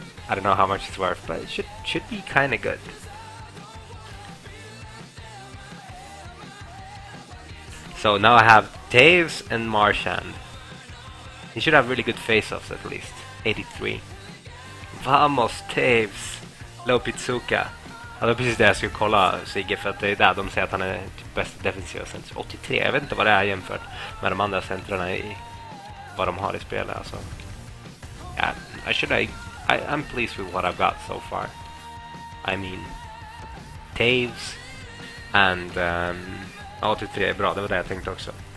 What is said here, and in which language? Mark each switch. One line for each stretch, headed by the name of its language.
English: I don't know how much it's worth, but it should be kind of good. So now I have Taves and Marchand. He should have really good face-offs at least. 83. Vamos, Taves! Lopitsuka.
Swedish: Ja, det är precis det jag skulle kolla, Sigge, för att det är där de säger att han är typ bäst defensiva center. 83, jag vet inte vad det är jämfört med de andra centrarna i vad de har i spelet, alltså.
English: Yeah, I'm pleased with what I've got so far. I mean,
Swedish: Taves and 83 är bra, det var det jag tänkte också.